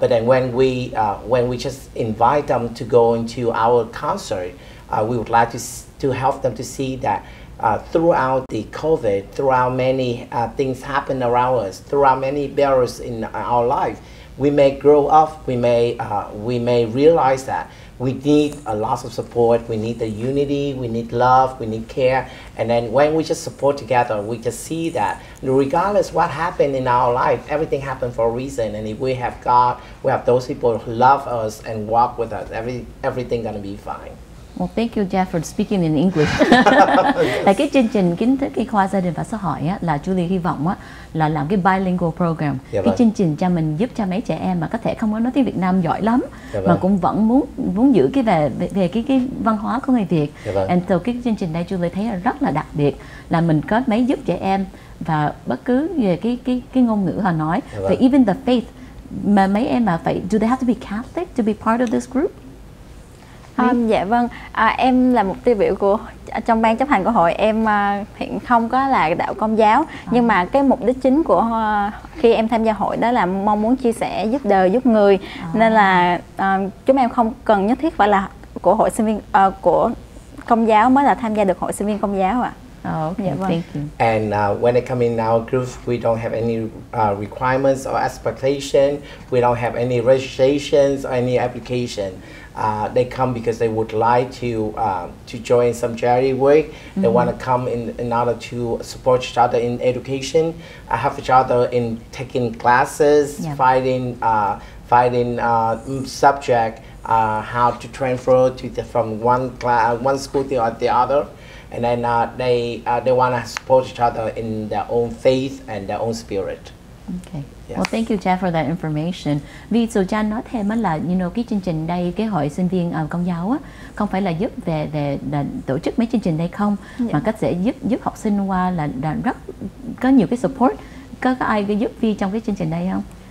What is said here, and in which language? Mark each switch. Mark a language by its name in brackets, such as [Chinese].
[English] But then when we just invite them to go into our concert, we would like to help them to see that throughout the COVID, throughout many things happen around us, throughout many barriers in our life, we may grow up, we may realize that we need a lot of support, we need the unity, we need love, we need care. And then when we just support together, we just see that regardless what happened in our life, everything happened for a reason. And if we have God, we have those people who love us and walk with us, everything gonna be fine. Well, thank you, Jeff, for speaking in English. [Vietnamese] Là cái chương trình kiến thức y khoa gia đình và xã hội á, là Julie hy vọng á, là làm cái bilingual program. Yeah, cái chương trình cho mình giúp cho mấy trẻ em mà có thể không có nói tiếng Việt Nam giỏi lắm, yeah, mà cũng vẫn muốn giữ cái về cái văn hóa của người Việt. Yeah, [English] and so [Vietnamese] cái chương trình này Julie thấy là rất là đặc biệt, là mình có mấy giúp trẻ em và bất cứ về cái ngôn ngữ họ nói. Yeah, [English] so even the faith, [Vietnamese] mà mấy em mà phải, [English] do they have to be Catholic to be part of this group? [Vietnamese] Dạ vâng, em là một tiêu biểu của trong ban chấp hành của hội. Em hiện không có là đạo Công giáo, nhưng mà cái mục đích chính của khi em tham gia hội đó là mong muốn chia sẻ, giúp đời, giúp người. Nên là chúng em không cần nhất thiết phải là của hội sinh viên của Công giáo mới là tham gia được hội sinh viên Công giáo ạ. [English] Okay, thank you. And when they come in our group, we don't have any requirements or expectation. We don't have any registrations or any application. They come because they would like to join some charity work. Mm-hmm. They want to come in order to support each other in education, help each other in taking classes, yeah, finding subject, how to transfer from one class, one school to the other. And then they want to support each other in their own faith and their own spirit. Okay. Yes. Well, thank you, Jeff, for that information. [Vietnamese] Vì so Jan nói thêm là, [English] you know, [Vietnamese] cái chương trình đây, cái hội sinh viên Công giáo á, không phải là giúp về là tổ chức mấy chương trình đây không, yeah, mà có thể giúp học sinh qua là rất có nhiều cái support. Có ai giúp Vy trong cái chương trình đây không?